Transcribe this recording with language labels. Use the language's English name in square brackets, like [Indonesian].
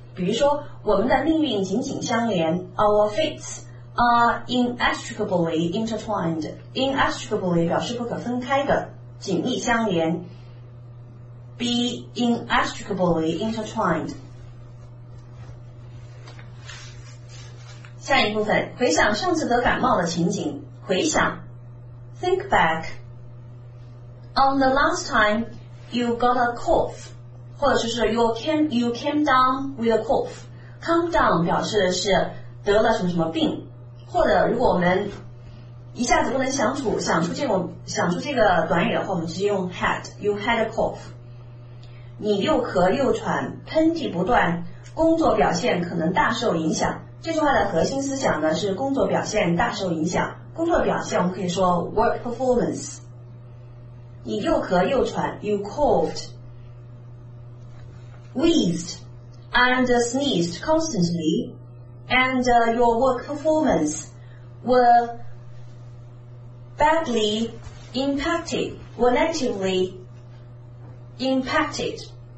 [Chinese] 比如说我们的命运紧紧相连， [English] our fates are inextricably intertwined。 [Chinese] inextricably 表示不可分开的，紧密相连， [English] be inextricably intertwined。 [Chinese] 下一部分，回想上次得感冒的情景。 [English] 回想 ，think back on the last time you got a cough， [Chinese] 或者是 [English] you came down with a cough。 [Chinese] Come down 表示的是得了什么什么病，或者如果我们一下子不能想出这个短语的话，我们直接用 had。 [English] You had a cough。 [Chinese] 你又咳又喘，喷嚏不断，工作表现可能大受影响。这句话的核心思想呢，是工作表现大受影响。工作表现我们可以说 work performance。你又咳又喘， [English] you coughed wheezed and sneezed constantly and your work performance were badly impacted were negatively impacted。